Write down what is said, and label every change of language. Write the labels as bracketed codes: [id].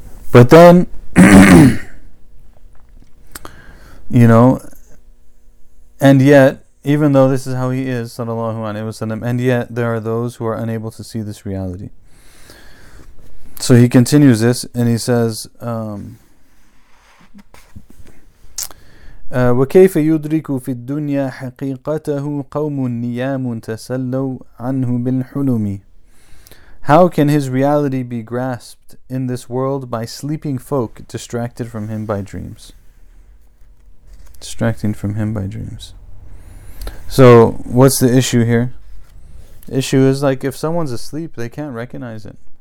[en] But then you know, and yet, even though this is how he is sallallahu alaihi wasallam, and yet there are those who are unable to see this reality. So he continues this and he says, [ar] وكيف يدرك في الدنيا حقيقته قوم نيام تسلوا عنه بالحلم. [en] How can his reality be grasped in this world by sleeping folk distracted from him by dreams? Distracting from him by dreams. So what's the issue here? The issue is, like, if someone's asleep, they can't recognize it.